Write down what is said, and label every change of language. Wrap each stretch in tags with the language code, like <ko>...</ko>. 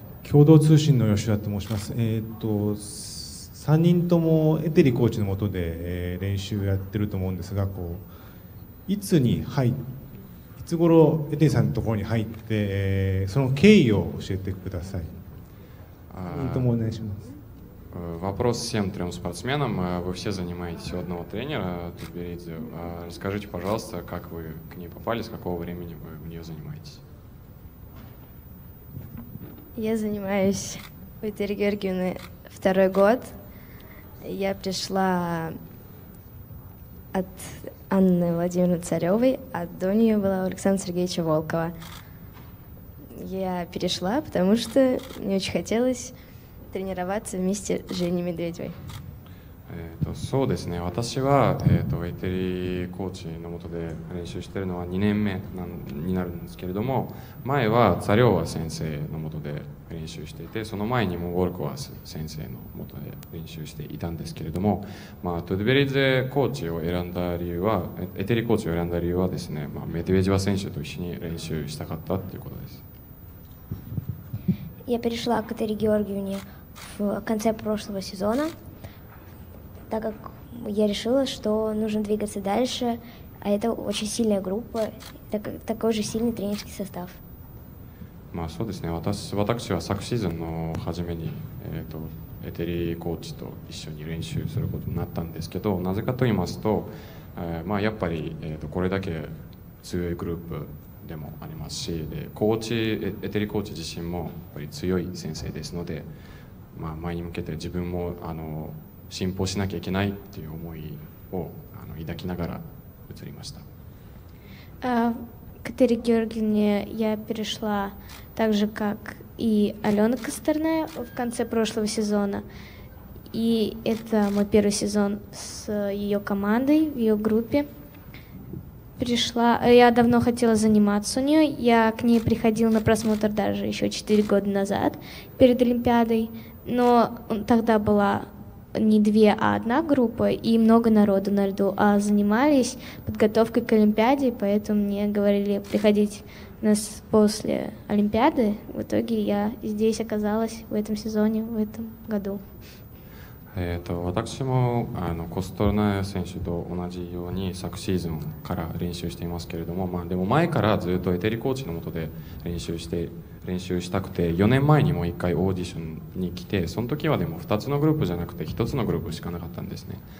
<ja>共同通信の吉田と申します。3人ともエテリコーチのもとで練習やってると思うんですが、いつに入、いつ頃エテリさんのところに入って、その経緯を教えてください。3人ともお願いします。</ja> <ru>Вопрос всем трем спортсменам. Вы все занимаетесь у одного тренера, Тутберидзе. Расскажите, пожалуйста, как вы к ней попали, с какого времени вы в нее занимаетесь? Я занимаюсь у Виталии Георгиевны второй год. Я пришла от Анны Владимировны Царевой, а до нее была у Александра Сергеевича Волкова. Я перешла, потому что мне очень хотелось тренироваться вместе с Женей Медведевой.</ru> <ja>そうですね。私はウェイテリーコーチの元で練習しているのは2年目になるんですけれども、前はザリョワ先生の元で練習していて、その前にもウォルコワス先生の元で練習していたんですけれども、まあトゥデベリゼコーチを選んだ理由は、ウェイテリーコーチを選んだ理由はですね、まあ、メデベジワ選手と一緒に練習したかったということです。</ja> <ru>Я перешла к Этери Георгиевне в конце прошлого сезона, так как я решила, что нужно двигаться дальше, а это очень сильная группа, такой же сильный тренерский состав.</ru> <ja>Ну, そうですね。私は昨シーズンの初めにエテリコーチと一緒に練習することになったんですけど、なぜかと言いますと、まあやっぱりこれだけ強いグループでもありますし、でコーチエテリコーチ自身もやっぱり強い先生ですので、まあ前に向けて自分も進歩しなきゃいけないっていう思いを抱きながら移りました。</ja> <ru>К Этери Георгиевне я перешла так же, как и Алена Костерная в конце прошлого сезона. И это мой первый сезон с ее командой, в ее группе. Пришла, я давно хотела заниматься у нее. Я к ней приходила на просмотр даже еще 4 года назад, перед Олимпиадой. Но тогда была не две, а одна группа, и много народу на льду, а занимались подготовкой к Олимпиаде, поэтому мне говорили приходить нас после Олимпиады. В итоге я здесь оказалась в этом сезоне, в этом году.</ru> <ja>私もコストルナ選手と同じように昨シーズンから練習していますけれども、まあ、でも前からずっとエテリコーチの下で練習したくて、4年前にも1回オーディションに来て、その時はでも2つのグループじゃなくて1つのグループしかなかったんですね。</ja>